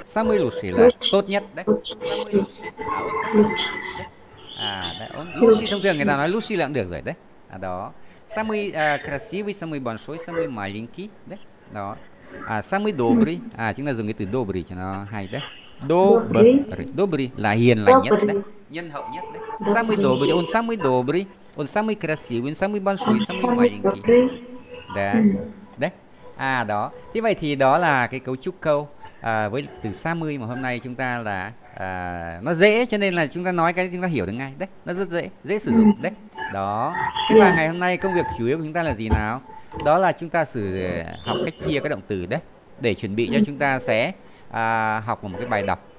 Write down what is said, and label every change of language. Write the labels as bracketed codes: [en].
[ru] Самый лучший [vi] là tốt nhất. [ru] Đấy. Самый лучший. À, он самый лучший. Đấy. Он лучший. [vi] Thông thường người ta nói лучший là cũng được rồi. Đấy. À, đó. [ru] Самый красивый, самый большой, самый маленький. [vi] Đấy. Đó. À, [ru] самый добрый. [vi] À, chúng ta dùng cái từ добрый cho nó hay. Đấy. Добрый. Добрый là hiền lành nhất. Đấy. Nhân hậu nhất đấy. [ru] Самый добрый, он самый добрый, он самый красивый, он самый большой, самый маленький. [vi] Да. Đấy. À đó. Thế vậy thì đó là cái cấu trúc câu với từ 30 mà hôm nay chúng ta là nó dễ cho nên là chúng ta nói cái chúng ta hiểu được ngay. Đấy, nó rất dễ, dễ sử dụng đấy. Đó. Thế và ngày hôm nay công việc chủ yếu của chúng ta là gì nào? Đó là chúng ta học cách chia các động từ đấy để chuẩn bị cho chúng ta sẽ học một cái bài đọc.